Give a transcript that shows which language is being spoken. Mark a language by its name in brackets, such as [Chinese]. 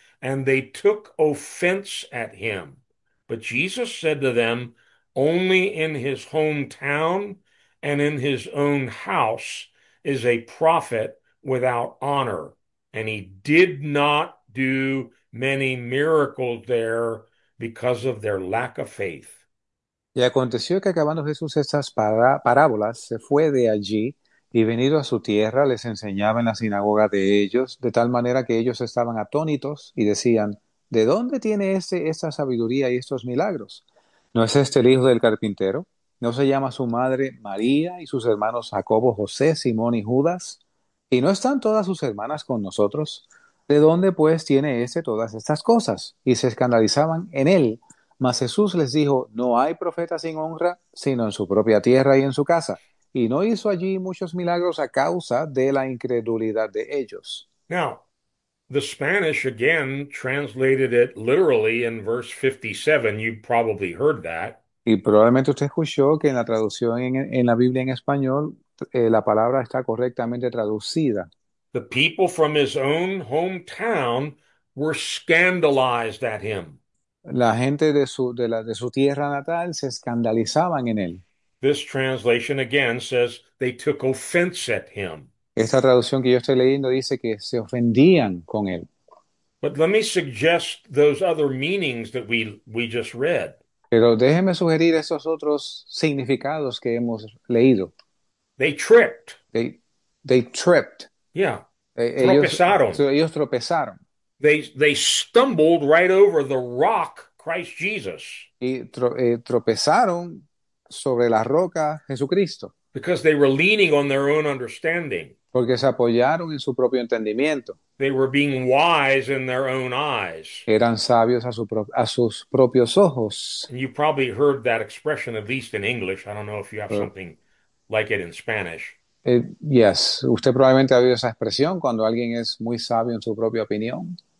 [English] And they took offense at him. But Jesus said to them, only in his hometown and in his own house is a prophet without honor. And he did not do many miracles there, because of their lack of faith. [Spanish] Y aconteció que acabando Jesús estas parábolas, se fue de allí y venido a su tierra, les enseñaba en la sinagoga de ellos, de tal manera que ellos estaban atónitos y decían, ¿de dónde tiene esta sabiduría y estos milagros? ¿No es este el hijo del carpintero? ¿No se llama su madre María y sus hermanos Jacobo, José, Simón y Judas? ¿Y no están todas sus hermanas con nosotros? ¿De dónde, pues, tiene ese todas estas cosas? Y se escandalizaban en él. Mas Jesús les dijo, no hay profeta sin honra, sino en su propia tierra y en su casa. Y no hizo allí muchos milagros a causa de la incredulidad de ellos. [English] Now, the Spanish, again, translated it literally in verse 57. You probably heard that. [Spanish] Y probablemente usted escuchó que en la traducción en la Biblia en español, la palabra está correctamente traducida. [English] The people from his own hometown were scandalized at him. [Spanish] La gente de su tierra natal se escandalizaban en él. [English] This translation again says they took offense at him. [Spanish] Esta traducción que yo estoy leyendo dice que se ofendían con él. [English] But let me suggest those other meanings that we just read. [Spanish] Pero déjeme sugerir esos otros significados que hemos leído. [English] They tripped. They tripped. Yeah. [Spanish] Ellos Tropezaron. tropezaron. [English] They stumbled right over the rock, Christ Jesus. [Spanish] Y tropezaron sobre la roca Jesucristo. [English] Because they were leaning on their own understanding. [Spanish] Porque se apoyaron en su propio entendimiento. [English] They were being wise in their own eyes. [Spanish] Eran sabios a sus propios ojos. [English] And you probably heard that expression, at least in English. I don't know if you have something like it in Spanish. [Spanish] Yes, usted probablemente ha oído esa expresión cuando alguien es muy sabio en su propia opinión.